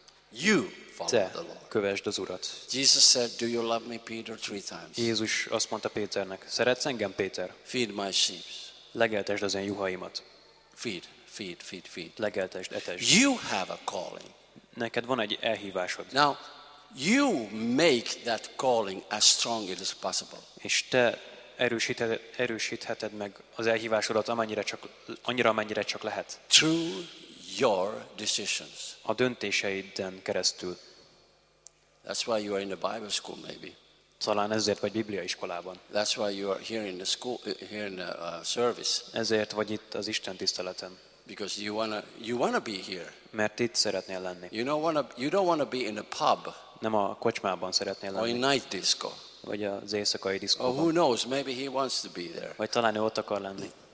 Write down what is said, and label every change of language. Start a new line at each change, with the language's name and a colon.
English: You follow the Lord.
Hungarian: Te kövesd az Urat.
English: Jesus said, "Do you love me, Peter?" 3 times.
Hungarian: Jézus azt mondta Péternek, szeretsz engem, Péter?
English: Feed my sheep.
Hungarian: Legeltesd az én juhaimat.
English: Feed.
Hungarian: Legeltesd, etesd.
English: You have a calling.
Hungarian: Neked van egy elhívásod.
English: Now, you make that calling as strong as possible.
Hungarian: És te erősítheted meg az elhívásodat, amennyire csak lehet.
English: True. Your decisions.
Hungarian: A döntéseiden keresztül.
English: That's why you are in the Bible school, maybe.
Hungarian: Talán ezért vagy Biblia iskolában.
English: That's why you are here in the school, here in the service.
Hungarian: Ezért vagy itt az istentiszteleten.
English: Because you wanna be here.
Hungarian: Mert itt szeretnél lenni.
English: You don't wanna be in a pub.
Hungarian: Nem a kocsmában szeretnél lenni.
English: Or in night disco.
Hungarian: Vagy az éjszakai diszkóban.
English: Or who knows? Maybe he wants to be there.
Hungarian: Vagy talán ő ott akar lenni.